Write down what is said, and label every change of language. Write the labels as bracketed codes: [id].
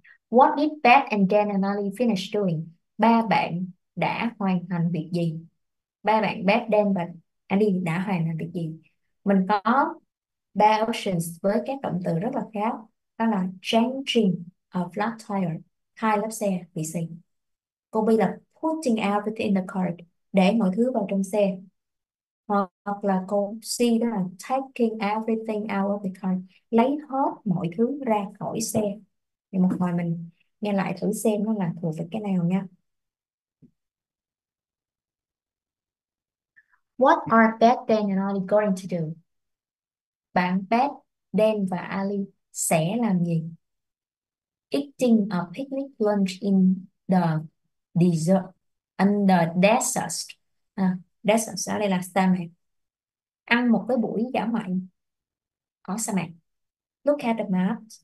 [en] What did Beth and Dan and Ali finish doing? [vi] Ba bạn đã hoàn thành việc gì? Ba bạn Beth, Dan và Andy đã hoàn thành việc gì? Mình có ba options với các động từ rất là khéo, đó là [en] changing a flat tire, [vi] hai lớp xe bị xì. Câu B là [en] putting everything in the cart, [vi] để mọi thứ vào trong xe. Hoặc là câu C, đó là [en] taking everything out of the cart, [vi] lấy hết mọi thứ ra khỏi xe. Thì một hồi mình nghe lại thử xem nó là thuộc về cái nào nha. [en] What are Beth, Dan and Ollie going to do? [vi] Bạn Beth, Dan và Ali sẽ làm gì? [en] Eating a picnic lunch in the desert, under desert. [vi] À, desert ở đây là sa mạc. Ăn một cái buổi dã ngoại ở sa mạc. [en] Look at the map.